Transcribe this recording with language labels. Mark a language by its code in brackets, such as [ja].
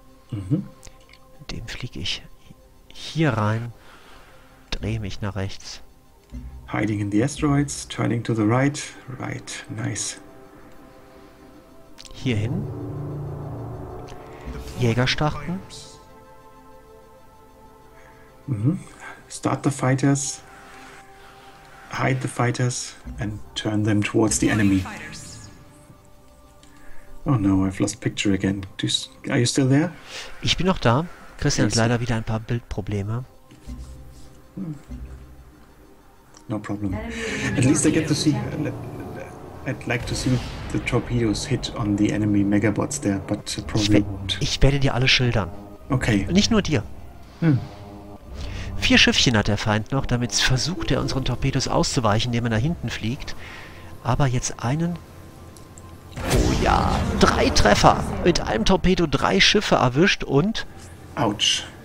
[de] Dem fliege ich hier rein, drehe mich nach rechts. [en] Hiding in the asteroids, turning to the right. Right, nice. [de] Hierhin. Jäger starten. [en] Start the fighters. Hide the fighters and turn them towards the enemy. Oh no, I've lost picture again. Are you still there? [de] Ich bin noch da. Christian hat leider wieder ein paar Bildprobleme. [en] No problem. At least I get to see. I'd like to see the torpedoes hit on the enemy megabots there, but probably won't. [de] Ich werde dir alle schildern. [en] Okay. [de] Nicht nur dir. Vier Schiffchen hat der Feind noch, damit versucht er unseren Torpedos auszuweichen, indem er nach hinten fliegt. Aber jetzt einen. Oh ja, drei Treffer! Mit einem Torpedo drei Schiffe erwischt und. [en] Ouch.